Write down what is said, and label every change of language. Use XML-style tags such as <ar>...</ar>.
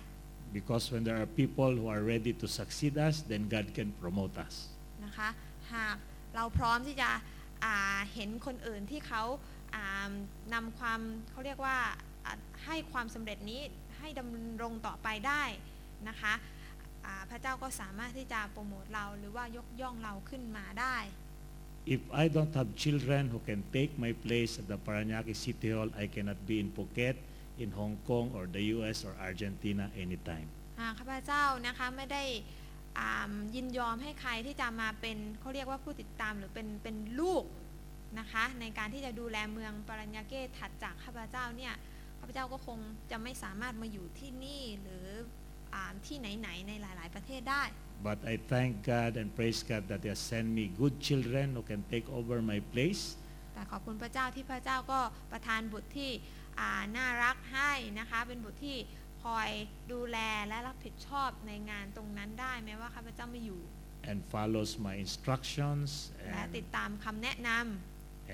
<en>Because when there are people who are ready to succeed us then God can promote us</en> <th>นะคะหากเราพร้อมที่จะเห็นคนอื่นที่เขานำความเขาเรียกว่าให้ความสำเร็จนี้ให้ดำรงต่อไปได้นะคะพระเจ้าก็สามารถที่จะโปรโมทเราหรือว่ายกย่องเราขึ้นมาได้</th> <en>If I don't have children who can take my place at the Paranaque City Hall I cannot be in Phuket in Hong Kong or the US or Argentina anytime</en> <th>ข้าพเจ้านะคะไม่ได้ยินยอมให้ใครที่จะมาเป็นเขาเรียกว่าผู้ติดตามหรือเป็นลูกนะคะในการที่จะดูแลเมืองปารัญญาเกถัดจากข้าพเจ้าเนี่ยข้าพเจ้าก็คงจะไม่สามารถมาอยู่ที่นี่หรือที่ไหนๆในหลายๆประเทศได้</th> <en>But I thank God and praise God that they send me good children who can take over my place</en> <th>แต่ขอบคุณพระเจ้าที่พระเจ้าก็ประทานบุตรที่น่ารักให้นะคะเป็นบุตรที่คอยดูแลและรับผิดชอบในงานตรงนั้นได้แม้ว่าข้าพเจ้าไม่อยู่</th> <en>And follows my instructions</en> <th>และติดตามคำแนะนำ</th>